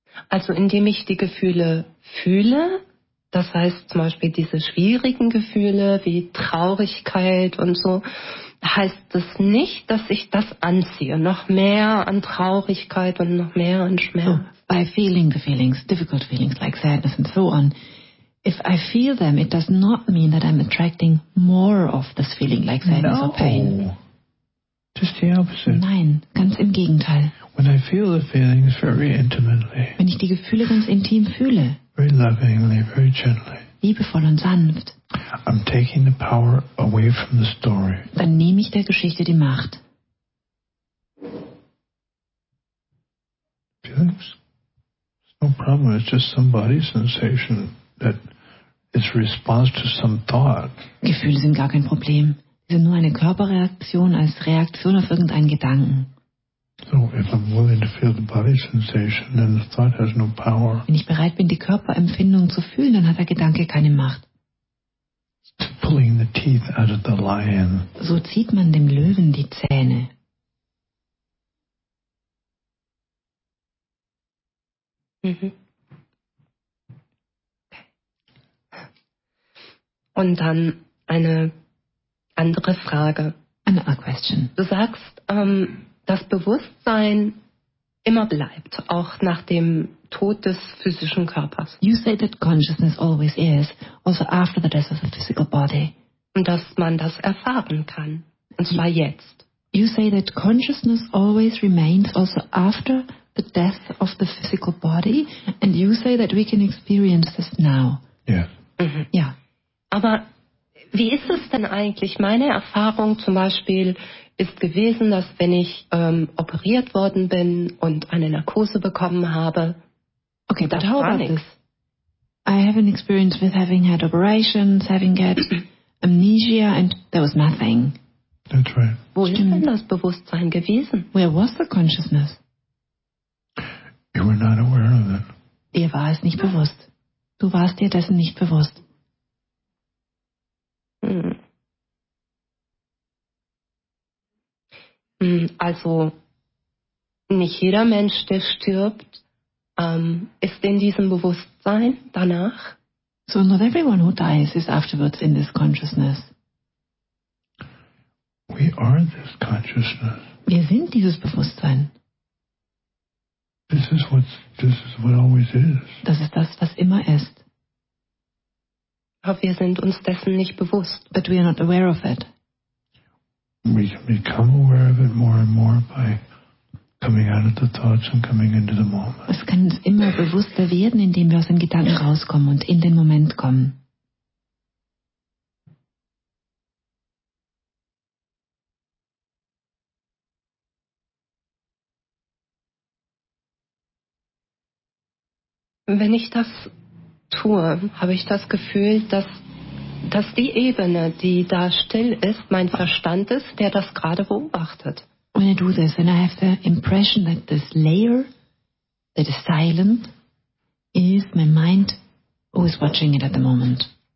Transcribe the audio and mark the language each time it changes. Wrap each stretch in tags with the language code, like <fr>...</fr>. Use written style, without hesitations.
<de>Also indem ich die Gefühle fühle, das heißt zum Beispiel diese schwierigen Gefühle wie Traurigkeit und so, heißt das nicht, dass ich das anziehe. Noch mehr an Traurigkeit und noch mehr an Schmerz.</de> <en>So, by feeling the feelings, difficult feelings like sadness and so on, if I feel them, it does not mean that I'm attracting more of this feeling like sadness or pain. Just the opposite.</en> <de>Nein, ganz im Gegenteil.</de> <en>When I feel the feelings very intimately,</en> <de>wenn ich die Gefühle ganz intim fühle,</de> <en>very lovingly, very gently,</en> <de>liebevoll und sanft,</de> <en>I'm taking the power away from the story.</en> <de>Dann nehme ich der Geschichte die Macht.</de> <en>Feelings? It's no problem, it's just some body sensation that is response to some thought.</en> <de>Gefühle sind gar kein Problem. Sie sind nur eine Körperreaktion als Reaktion auf irgendeinen Gedanken.</de> <en>So, if I'm willing to feel the body sensation, then the thought has no power.</en> <de>Wenn ich bereit bin, die Körperempfindung zu fühlen, dann hat der Gedanke keine Macht.</de> <en>It's pulling the teeth out of the lion.</en> <de>So zieht man dem Löwen die Zähne. Mhm. Und dann eine andere Frage.</de> <en>Another question.</en> <de>Du sagst, das Bewusstsein immer bleibt, auch nach dem Tod des physischen Körpers.</de> <en>You say that consciousness always is, also after the death of the physical body.</en> <de>Und dass man das erfahren kann, und zwar jetzt.</de> <en>You say that consciousness always remains, also after the death of the physical body, and you say that we can experience this now.</en> <de>Ja. Yeah. Aber wie ist es denn eigentlich? Meine Erfahrung zum Beispiel ist gewesen, dass wenn ich operiert worden bin und eine Narkose bekommen habe,</de> <en>okay, but how about this? I have an experience with having had operations, having had amnesia and there was nothing. That's right.</en> <de>Wo ist denn das Bewusstsein gewesen?</de> <en>Where was the consciousness? You were not aware of it.</en> <de>Dir war es nicht bewusst. Du warst dir dessen nicht bewusst. Also, nicht jeder Mensch, der stirbt, ist in diesem Bewusstsein danach.</de> <en>So not everyone who dies is afterwards in this consciousness. We are this consciousness.</en> <de>Wir sind dieses Bewusstsein.</de> <en>This is what always is.</en> <de>Das ist das, was immer ist. Aber wir sind uns dessen nicht bewusst.</de> <en>But we are not aware of it. We can become aware of it more and more by coming out of the thoughts and coming into the moment.</en> <de>Es kann uns immer bewusster werden, indem wir aus den Gedanken rauskommen und in den Moment kommen. Wenn ich das tue, habe ich das Gefühl, dass die Ebene, die da still ist, mein Verstand ist, der das gerade beobachtet.</de> <en>When I do this, then I have the impression that this layer that is silent is my mind who is watching it at the moment.</en>